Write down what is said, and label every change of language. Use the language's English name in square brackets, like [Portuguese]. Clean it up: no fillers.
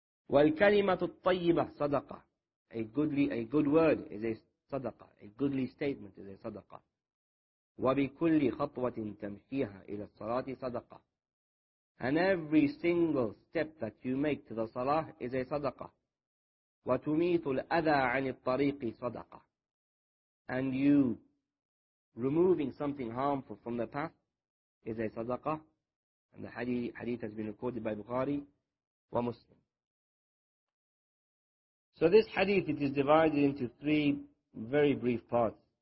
[Arabic] وَالْكَلِمَةُ الطَّيِّبَةُ صَدَقَةً. [English] A good word is a sadaqah. A goodly statement is a sadaqah. [Arabic] وَبِكُلِّ خَطْوَةٍ تَمْشِيهَا إِلَى الصَّلَاةِ صَدَقَةً. [English] And every single step that you make to the salah is a sadaqah. [Arabic] وَتُمِيتُ الْأَذَى عَنِ الطَّرِيقِ صَدَقَةً. [English] And you removing something harmful from the path is a sadaqah. And the hadith has been recorded by Bukhari wa Muslim. So this hadith, it is divided into three very brief parts.